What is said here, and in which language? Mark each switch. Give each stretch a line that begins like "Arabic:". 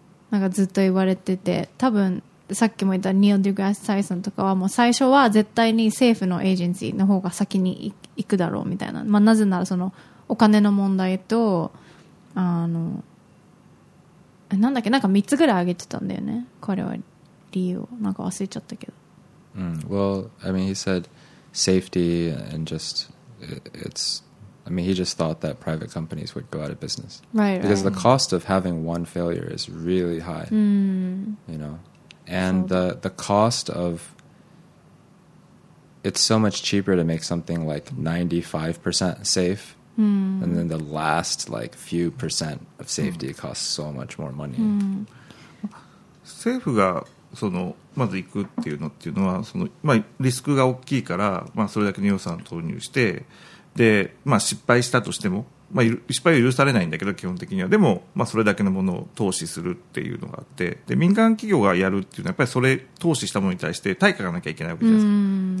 Japanese: なんかずっと言われてて、多分さっきも言ったニール・デグラス・タイソンとかはもう最初は絶対に政府のエージェンシーの方が先に行くだろうみたいな、まあ、なぜならそのお金の問題と、あのなんだっけ、なんか3つぐらい挙げてたんだよね、彼は理由をなんか忘れちゃったけど、 mm.
English: Well, I mean, he said safety and just it's, I mean, he just thought that private companies would go out of business, right? Because right. the cost of having one failure is really high、 mm. you know, and the cost of, it's so much cheaper to make something like 95% safe うん、 and then the last like few percent of safety costs so much more money、うん、
Japanese: 政府がそのまず行くっていうのっていうのはその、まあ、リスクが大きいから、まあ、それだけの予算を投入してで、まあ、失敗したとしても、まあ、失敗は許されないんだけど基本的にはでも、まあ、それだけのものを投資するっていうのがあってで民間企業がやるっていうのはやっぱりそれ投資したものに対して対価がなきゃいけないわけじゃないですか。